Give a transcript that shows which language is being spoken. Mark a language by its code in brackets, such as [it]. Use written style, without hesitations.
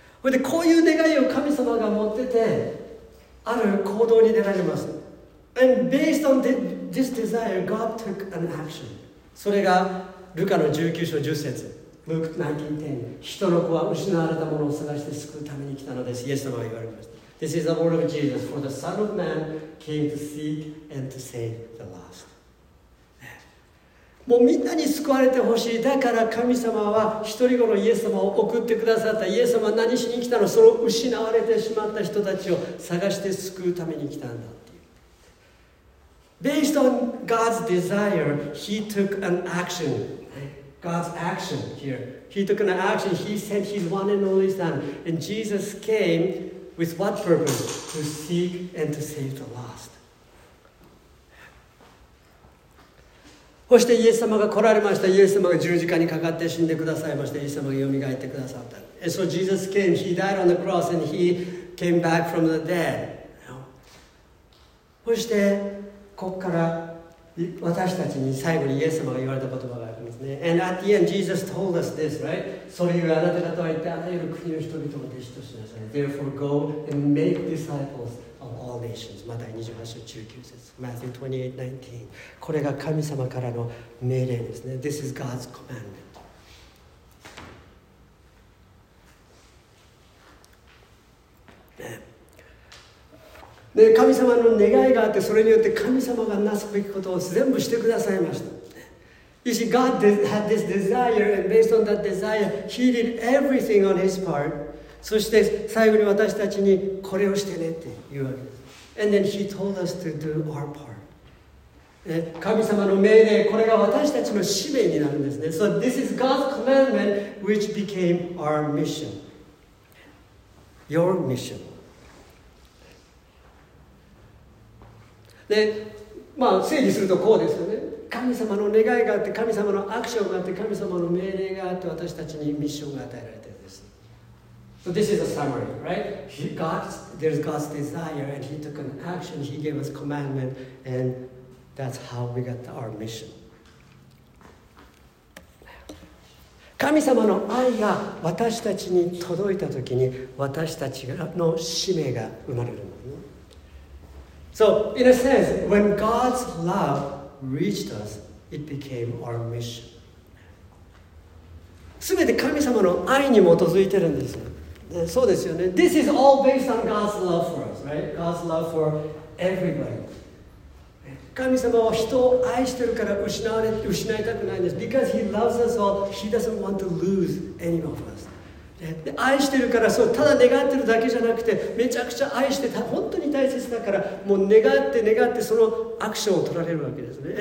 [ja] でこういう願いを神様が持っててある行動に出られます。 [en] And based on this desire, God took an action. [ja] それがルカの19章10節。 Luke 19:10 人の子は失われたものを探して救うために来たのです。イエス様が言われました。 [en] This is the word of Jesus. For the Son of Man came to seek and to save the lost. [ja] もうみんなに救われてほしい。だから神様は一人子のイエス様を送ってくださった。イエス様は何しに来たの？その失われてしまった人たちを探して救うために来たんだっていう。 [en] Based on God's desire, He took an action. God God's action here. He took an action. He sent his one and only son. And Jesus came with what purpose? To seek and to save the lost. [ja] そしてイエス様が来られました。イエス様が十字架にかかって死んでくださいました。イエス様がよみがえってくださった。 [en] And so Jesus came, he died on the cross and he came back from the dead. [ja] そしてここから私たちに最後にイエス様が言われた言葉がありますね。 [en] And at the end, Jesus told us this, right? [ja] それゆえあなた方は言ってあらゆる国の人々を弟子としなさい。 [en] Therefore go and make disciples. All nations. Matthew 28:19. This is God's commandment. [ja] で、神様の願いがあって、それによって神様がなすべきことを全部してくださいました。 [en] You see, God had this desire, and based on that desire, He did everything on His part. [ja] そして最後に私たちにこれをしてねって言うわけです。 [en] And then he told us to do our part. [ja] 神様の命令、これが私たちの使命になるんですね。 [en] So this is God's commandment, which became our mission. Your mission. [ja] で、まあ整理するとこうですよね。神様の願いがあって、神様のアクションがあって、神様の命令があって、私たちにミッションが与えられているんです。 [en] So this is a summary, right? There's God's desire and He took an action. He gave us commandment and that's how we got our mission. [ja] 神様の愛が私たちに届いた時に私たちの使命が生まれるんだね。 [en] So in a sense, when God's love reached us, it became our mission. [ja] 全て神様の愛に基づいてるんですよ。そうですよね。 [en] This is all based on God's love for us, right? God's love for everybody. [ja] 神様は人を愛してるから失いたくないんです。 [en] Because He loves us all, He doesn't want to lose any of us. [ja] で愛してるから、そうただ願ってるだけじゃなくて、めちゃくちゃ愛して、本当に大切だから、もう願ってそのアクションを取られるわけですね。